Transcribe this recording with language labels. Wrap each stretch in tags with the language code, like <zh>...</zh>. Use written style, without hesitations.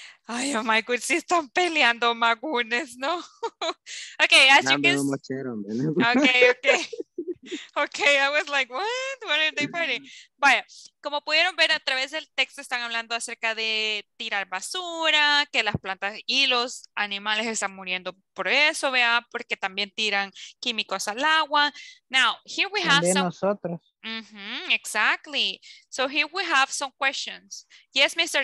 <es>Ay,</es> <en>oh my goodness,</en> <es>están peleando, magunes, ¿no?</es> <en>Okay, as you can see. Okay, I was like, what are they fighting?</en> <es>Vaya, como pudieron ver a través del texto, están hablando acerca de tirar basura, que las plantas y los animales están muriendo por eso, vea, porque también tiran químicos al agua.</es> <en>Now, here we have some.</en> <es>Nosotros.</es> <en>Exactly. So here we have some questions. Yes, Mr.</en>